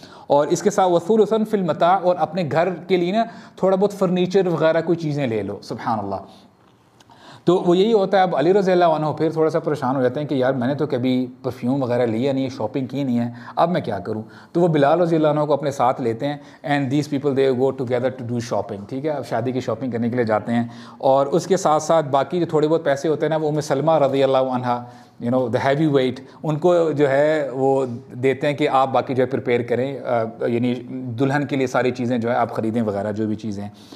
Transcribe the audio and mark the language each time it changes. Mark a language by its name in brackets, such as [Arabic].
[Urdu] اور اس کے ساتھ [Arabic] ثلثن فی المتاع [Urdu] اور اپنے گھر کے لیے نا تھوڑا بہت فرنیچر وغیرہ کوئی چیزیں لے لو. سبحان اللہ. تو وہ یہی ہوتا ہے اب علی رضی اللہ عنہ پھر تھوڑا سا پریشان ہو جاتے ہیں کہ یار میں نے تو کبھی پرفیوم وغیرہ لیا نہیں ہے شاپنگ کی نہیں ہے اب میں کیا کروں. تو وہ بلال رضی اللہ عنہ کو اپنے ساتھ لیتے ہیں. [English] And these people they go together to do shopping. [Urdu] ٹھیک ہے اب شادی کی شاپنگ کرنے کے لیے جاتے ہیں. اور اس کے ساتھ ساتھ باقی جو تھوڑے بہت پیسے ہوتے ہیں نا وہ ام سلمہ رضی اللہ عنہ [English] you know the heavy weight [Urdu] ان کو جو ہے وہ دیتے ہیں کہ آپ باقی جو ہے پریپیئر کریں یعنی دلہن کے لیے ساری چیزیں جو ہے آپ خریدیں وغیرہ جو بھی چیزیں.